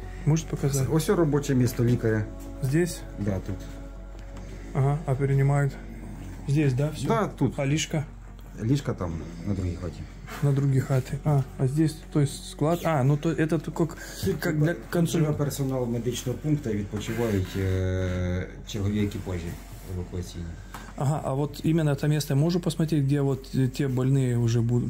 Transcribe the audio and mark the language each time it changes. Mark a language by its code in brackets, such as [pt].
[ru] Может показать? Все рабочее место лекаря. Здесь? Да, тут. Ага, а принимают? Здесь, да, все? Да, тут. А лишка? Лишка там, на другие хаты. На другие хаты. А здесь, то есть склад? А, ну то это как для консультации. [uk] Персонал медичного пункта відпочивають чергові екіпажі евакуаційні. [ru] Ага, а вот именно это место можу посмотреть, где вот те больные уже будут?